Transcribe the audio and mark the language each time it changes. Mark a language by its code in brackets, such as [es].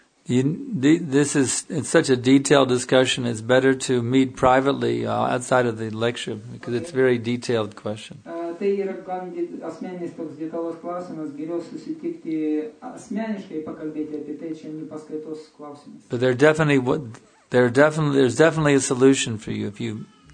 [en] It's such a detailed discussion. It's better to meet privately outside of the lecture because it's a very detailed question. [lt] tai yra gan asmeninis toks detalus klausimas, geriau susitikti asmeniškai pakalbėti apie tai, čia ne paskaitos klausimas. [en] But there's definitely a solution for you if you.